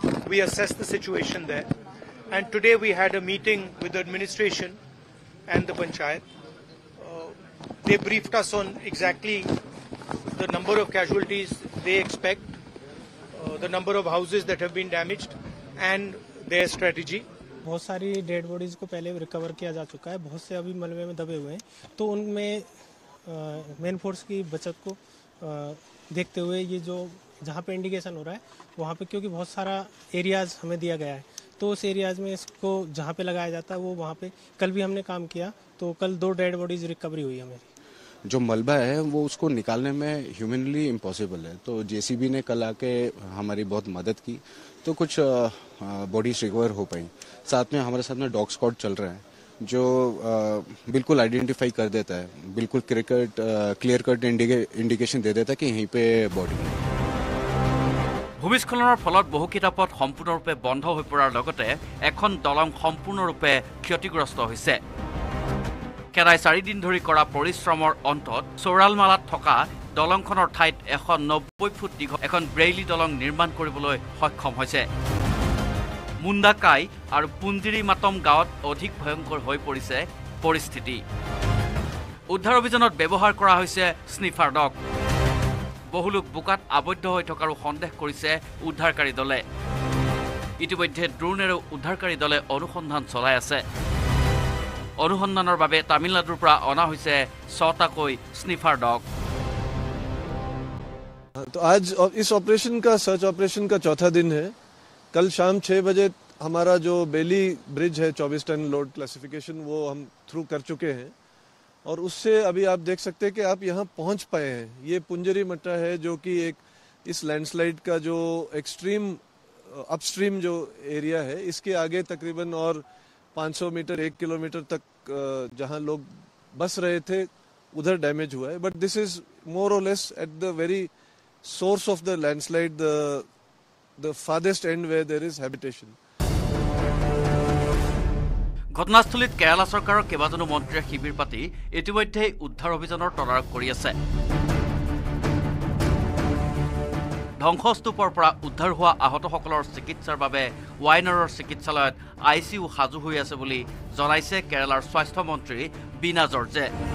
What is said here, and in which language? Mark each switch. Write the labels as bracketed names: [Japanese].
[English] We assessed the situation there, and today we had a meeting with the administration and the panchayat. They briefed us on exactly the number of casualties they expect, the number of houses that have been damaged, and their strategy. [Hindi] बहुत सारी dead bodies को पहले recover किया जा चुका है, बहुत से अभी मलबे में दबे हुए हैं, तो उनमें मेन फोर्स की बचत को देखते हुए ये जो जहाँ पे इंडिकेशन हो रहा है वहाँ पे, क्योंकि बहुत सारा एरियाज हमें दिया गया है, तो उस एरियाज में इसको जहाँ पे लगाया जाता है वो वहाँ पे, कल भी हमने काम किया तो कल 2 डेड बॉडीज रिकवरी हुई हमारी। जो मलबा है वो उसको निकालने में ह्यूमनली इम्पॉसिबल है, तो JCB ने कल आके हमारी बहुत मदद की तो कुछ बॉडीज रिकवर हो पाई। साथ में हमारे साथ में डॉग स्क्वाड चल रहे हैं, जो बिल्कुल आइडेंटिफाई कर देता है, बिल्कुल क्लियर कट इंडिकेशन दे देता है कि यहीं पे बॉडी। [Assamese] ভূমিস্খলনৰ ফলত বহুকেইটা পথ সম্পূৰ্ণৰূপে বন্ধ হৈ পৰাৰ লগতে এখন দলং সম্পূৰ্ণৰূপে ক্ষতিগ্ৰস্ত হৈছে। কেৰাই চাৰিদিন ধৰি কৰা পৰিশ্ৰমৰ অন্তত চোৰালমালাত থকা দলংখনৰ ঠাইত এখন 90 ফুট দীঘল এখন ব্ৰেইলি দলং নিৰ্মাণ কৰিবলৈ সক্ষম হৈছে। মুণ্ডাকাই আৰু পুঞ্জিৰী মাতম গাঁৱত অধিক ভয়ংকৰ হৈ পৰিছে পৰিস্থিতি। উদ্ধাৰ অভিযানত ব্যৱহাৰ কৰা হৈছে স্নিফাৰ ডগ। বহু লোক বোকাত আবদ্ধ হৈ থকাৰো সন্দেহ কৰিছে উদ্ধাৰকাৰী দলে। ইতিমধ্যে ড্ৰোনেৰে উদ্ধাৰকাৰী দলে অনুসন্ধান চলাই আছে। অনুসন্ধানৰ বাবে তামিলনাডুৰ পৰা অনা হৈছে 6টাকৈ স্নিফাৰ ডগ। [Hindi] তো আজ ইস অপারেশন কা সার্চ অপারেশন কা চৌথা দিন হে। কল শাম 6 বজে আমারা যো বেলি ব্রিজ হে 24 টন লোড ক্লাসিফিকেশন ও হাম থ্রু কর চুকে হে। और उससे अभी आप देख सकते हैं कि आप यहाँ पहुँच पाए हैं। ये पुंजरी मट्टा है जो कि एक इस लैंडस्लाइड का जो एक्सट्रीम अपस्ट्रीम जो एरिया है इसके आगे तकरीबन और 500 मीटर 1 किलोमीटर तक जहाँ लोग बस रहे थे उधर डैमेज हुआ है। [English] But this is more or less at the very source of the landslide the farthest and where there is habitation. [Assamese] ঘটনাস্থলীত কেৰালা চৰকাৰৰ কেইবাজনো মন্ত্ৰীয়ে শিবিৰ পাতি ইতিমধ্যে উদ্ধাৰ অভিযানৰ তদাৰক কৰি আছে। ধ্বংসস্তূপৰ পৰা উদ্ধাৰ হোৱা আহতসকলৰ চিকিৎসাৰ বাবে ৱাইনাৰৰ চিকিৎসালয়ত ICU সাজু হৈ আছে বুলি জনাইছে কেৰালাৰ স্বাস্থ্যমন্ত্ৰী বিনা জৰ্জে।